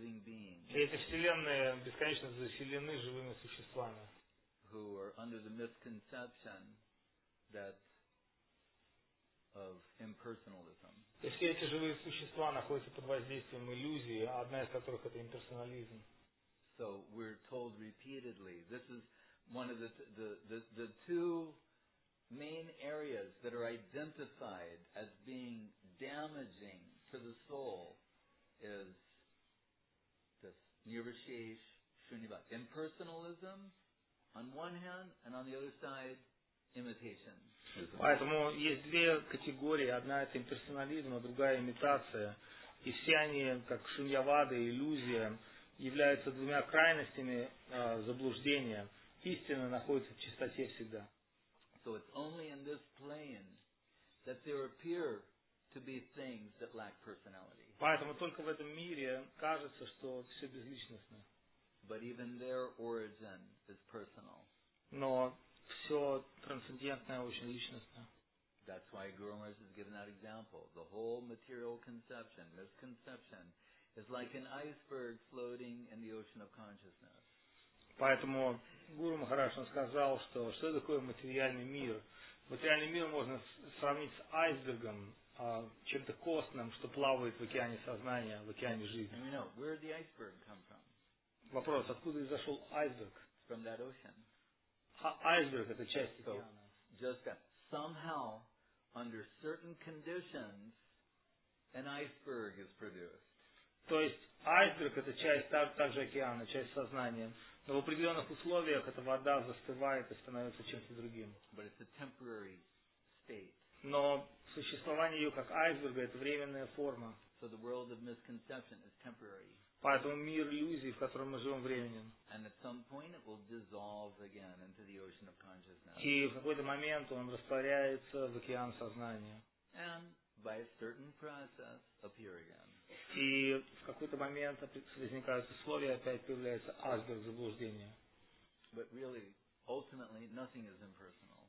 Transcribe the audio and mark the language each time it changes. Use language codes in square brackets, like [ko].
[ru] И эти вселенные бесконечно заселены живыми существами. [en] Who are under the misconception that of impersonalism. [ru] Если эти живые существа находятся под воздействием иллюзии, одна из которых это имперсонализм. [en] So we're told repeatedly, this is one of the two main areas that are identified as being damaging to the soul is this nirvishesh shunyavad, impersonalism. On one hand, and on the other side, imitation. [ru] Поэтому есть две категории. Одна это имперсонализм, а другая имитация. И все они, как шуньявады, иллюзия, являются двумя крайностями заблуждения. Истина находится в чистоте всегда. [en] So it's only in this plane that there appear to be things that lack personality. [ru] Поэтому только в этом мире кажется, что все безличностно. [en] But even their origin is personal. [ru] Но все трансцендентное очень личностно. [en] That's why Guru Maharaj has given that example. The whole material conception, misconception, is like an iceberg floating in the ocean of consciousness. [ru] Поэтому Гуру Махарадж сказал, что такое материальный мир. Материальный мир можно сравнить с айсбергом, чем-то костным, что плавает в океане сознания, в океане жизни. [en] And we know, where did the iceberg come from? [ru] Вопрос, откуда изошел айсберг? [en] From that ocean. [ru] Айсберг – это часть океана. [en] Just that. Somehow, under certain conditions, an iceberg is produced. [ru] То есть айсберг – это часть также океана, часть сознания. Но в определенных условиях эта вода застывает и становится чем-то другим. [en] But it's a temporary state. [ru] Но существование ее как айсберга – это временная форма. [en] So the world of misconception is temporary. [ru] Поэтому мир иллюзий, в котором мы живем временем. [en] And at some point it will dissolve again into the ocean of consciousness. [ru] И в какой-то момент он растворяется в океан сознания. [en] And by a certain process appear again. [ru] И в какой-то момент возникают условия, опять появляется айсберг заблуждения. [en] But really, ultimately, nothing is impersonal.